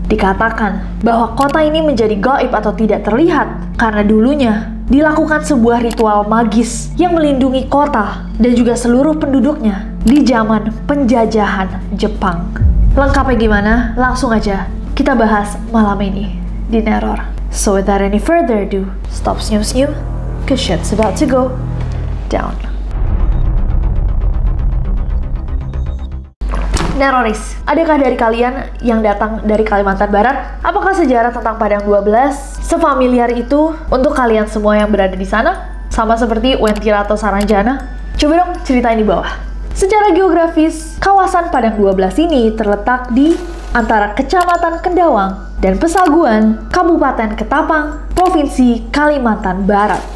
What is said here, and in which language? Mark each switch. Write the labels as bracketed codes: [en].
[id] Dikatakan bahwa kota ini menjadi gaib atau tidak terlihat karena dulunya dilakukan sebuah ritual magis yang melindungi kota dan juga seluruh penduduknya di zaman penjajahan Jepang. Lengkapnya gimana? Langsung aja kita bahas malam ini di Neror. [en] So without any further ado, stop snoo-snoo, cause shit's about to go down. [id] Neroris, adakah dari kalian yang datang dari Kalimantan Barat? Apakah sejarah tentang Padang 12 sefamiliar itu untuk kalian semua yang berada di sana? Sama seperti Wentira atau Saranjana? Coba dong ceritain di bawah. Secara geografis, kawasan Padang 12 ini terletak di antara Kecamatan Kendawang dan Pesaguan, Kabupaten Ketapang, Provinsi Kalimantan Barat.